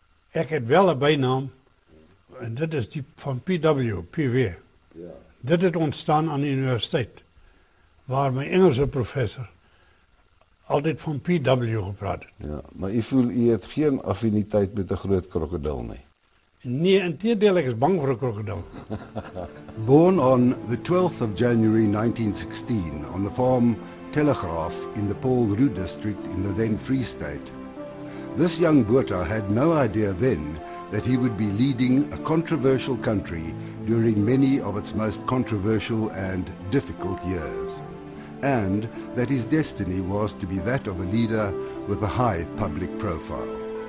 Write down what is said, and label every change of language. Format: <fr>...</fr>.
<af>Ek het wel 'n bynaam en dit is die van PW, PW. Ja. Dit het ontstaan aan die universiteit waar my Engelse professor altyd van PW gepraat het. Ja, maar u voel u het geen affiniteit met 'n groot krokodil nie? Nee, inteendeel, ek is bang vir 'n krokodil.</af> <en>Born on the 12th of January 1916 on the farm Telegraaf in the Paul Roo district in the then Free State, this young Botha had no idea then that he would be leading a controversial country during many of its most controversial and difficult years, and that his destiny was to be that of a leader with a high public profile.</en>